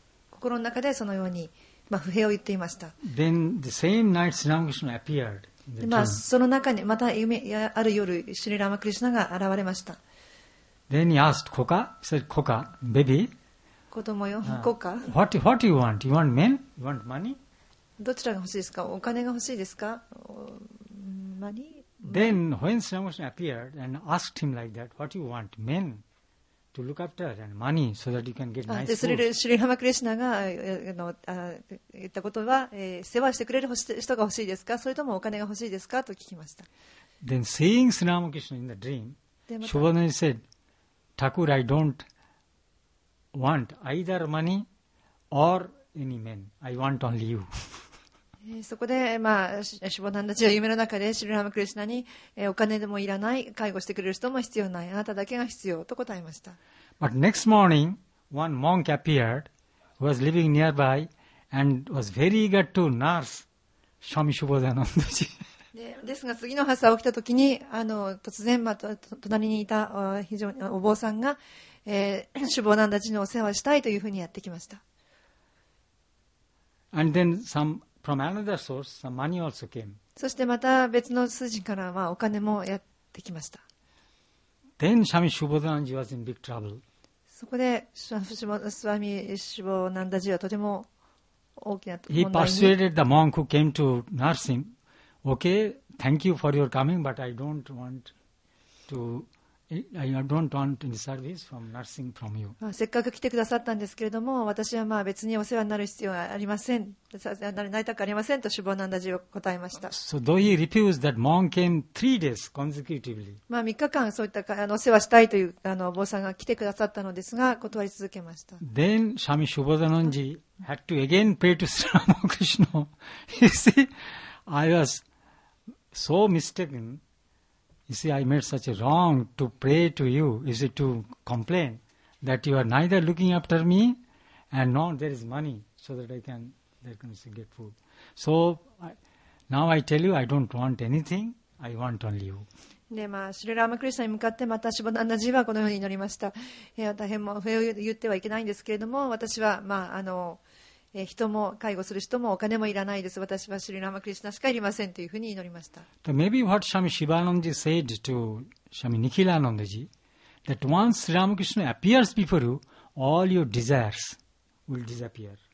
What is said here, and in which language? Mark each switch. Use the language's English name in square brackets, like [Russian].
[Japanese] 心の中でそのように、まあ、不平を言っていました。 [English] Then the same night, Sri Ramakrishna appeared in the dream. [Japanese] まあその中にまた夢やある夜シリラマクリシナが現れました。 [English] Then he asked Koka, he said, Koka, baby, [Japanese] 子供よ、Koka, [English] what do you want? You want men? You want money? [Japanese] どちらが欲しいですか？お金が欲しいですか？Money? [English] Then when Sri Ramakrishna appeared and asked him like that, what do you want? Men? To look after and money so that you can get nice food. [Japanese] シリラマクリシュナが言ったことは、世話してくれる人が欲しいですか、それともお金が欲しいですかと聞きました。 [English] Then seeing Sri Ramakrishna in the dream, Shobhananda said, "Thakur, I don't want either money or any men. I want only you." [Japanese] そこで、まあ、シュボナンダジーは夢の中でシリラマクリシュナに、お金でもいらない、介護してくれる人も必要ない、あなただけが必要と答えました。 [English] But next morning, one monk appeared who was living nearby and was very eager to nurse Swami Shubhodayananda ji. [Japanese] ですが次の朝起きた時に突然、まあ、隣にいた非常にお坊さんが、シュボナンダジーのお世話したいというふうにやってきました。 [English] And then from another source, some money also came. [Japanese] そしてまた別の数字からはお金もやってきました。 [English] Then Swami Shubhodananda was in big trouble. [Japanese] そこでスワミ・シュボナンダジーはとても大きな問題に。 [English] He persuaded the monk who came to nurse him. Okay, thank you for your coming, but I don't want any service from nursing from you. [Japanese] せっかく来てくださったんですけれども、私はまあ別にお世話になる必要はありません。なりたくありませんとシュボナンダジーは答えました。 [English] So though he refused, that monk came 3 days consecutively. [Japanese] まあ3日間そういったお世話したいというお坊さんが来てくださったのですが、断り続けました。 [English] Then Swami Shubhodananda had to again pray to Sri Ramakrishna. You see, I was so mistaken. You see, I made such a wrong to pray to you, is it to complain that you are neither looking after me and nor there is money so that I can get food. So now I tell you, I don't want anything, I want only you. [Japanese] でまあ、シュリラマクリシュナに向かってまたシュボナンダジーはこのように祈りました。大変も不平を言ってはいけないんですけれども、私は、まあ、人も介護する人もお金もいらないです、私はシリラマクリシュナしかいりませんというふうに祈りました。 [English] Maybe what Swami Shivananda said to Swami Nikhilananda ji, that once Sri Ramakrishna appears before you, all your desires will disappear.